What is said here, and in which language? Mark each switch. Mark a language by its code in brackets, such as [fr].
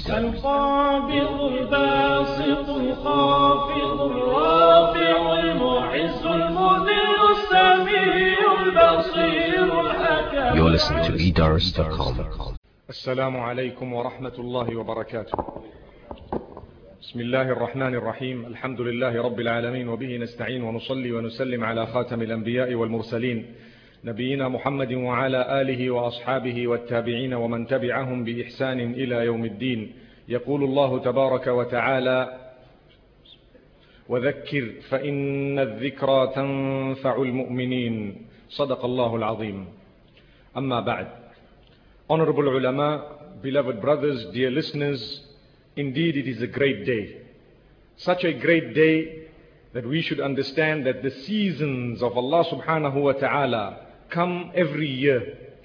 [ar] القابض الباسط الخافض الرافع المعز المذل السميع البصير الحكيم. [en] You're listening to Eidars.com. [ar] السلام عليكم ورحمة الله وبركاته. بسم الله الرحمن الرحيم. الحمد لله رب العالمين، وبه نستعين ونصلي ونسلم على خاتم الأنبياء والمرسلين نبينا محمد وعلى آله وأصحابه والتابعين ومن تبعهم بإحسان إلى يوم الدين. يقول الله تبارك وتعالى: وذكر فإن الذكرى تنفع المؤمنين. صدق الله العظيم. أما بعد. [en] Honorable Ulama, beloved brothers, dear listeners, indeed it is a great day. Such a great day that we should understand that the seasons of Allah subhanahu wa ta'ala come every year.